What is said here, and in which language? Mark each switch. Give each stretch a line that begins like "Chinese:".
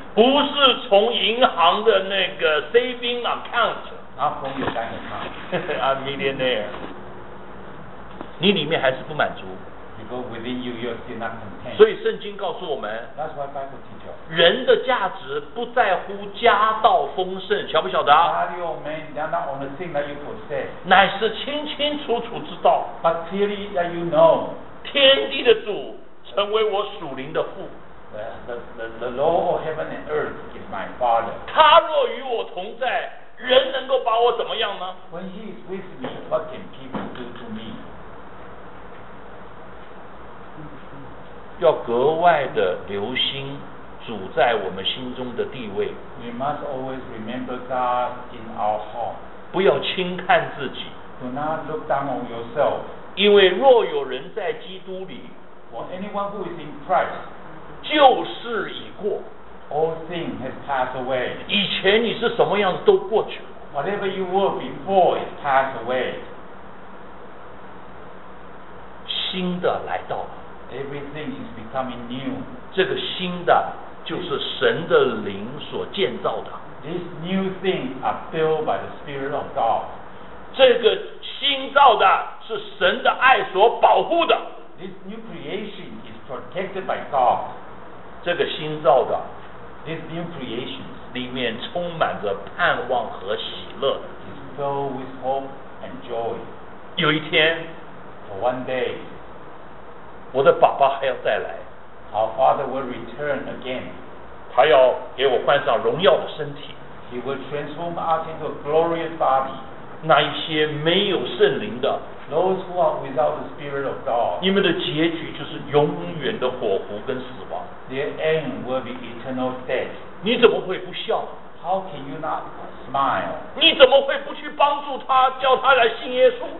Chinese: 不是从银行的那个
English: saving account. Not from your bank account. I'm millionaire.
Chinese: 你里面还是不满足。
English: Because within you, you're still not content.
Chinese: 所以圣经告诉我们。
English: That's why Bible teaches.
Chinese: 人的价值不在乎家道丰盛，晓不晓得？
English: Value of man is not on the thing that you possess.
Chinese: 乃是清清楚楚知道。
English: But clearly that you know.
Chinese: 天地的主成为我属灵的父。
English: The Lord of heaven and earth is my father.
Chinese: 他若与我同在，人能够把我怎么样呢？
English: When he is with me, what can people do to me?
Chinese: 要格外的留心主在我们心中的地位。
English: We must always remember God in our heart.
Chinese: 不要轻看自己。
English: Do not look down on yourself.
Chinese: 因为若有人在基督里，
English: For anyone who is in Christ.
Chinese: 旧事已过，
English: All things have passed away.
Chinese: 以前你是什么样子都过去了。
English: Whatever you were before has passed away.
Chinese: 新的来到了。
English: Everything is becoming new.
Chinese: 这个新的就是神的灵所建造的。
English: These new things are built by the Spirit of God.
Chinese: 这个新造的是神的爱所保护的。
English: This new creation is protected by God.
Chinese: 这个新造的
English: This new creation
Chinese: 里面充满着盼望和喜乐
English: is filled with hope and joy.
Chinese: 有一天
English: For one day
Chinese: 我的爸爸还要再来
English: Our father will return again.
Chinese: 他要给我换上荣耀的身体
English: He will transform us into a glorious body.
Chinese: 那一些没有圣灵的
English: Those who are without the spirit of God
Chinese: 你们的结局就是永远的火湖跟死亡
English: Their end will be eternal death.
Chinese: 你怎么会不笑？
English: How can you not smile?
Chinese: 你怎么会不去帮助他，叫他来信耶稣？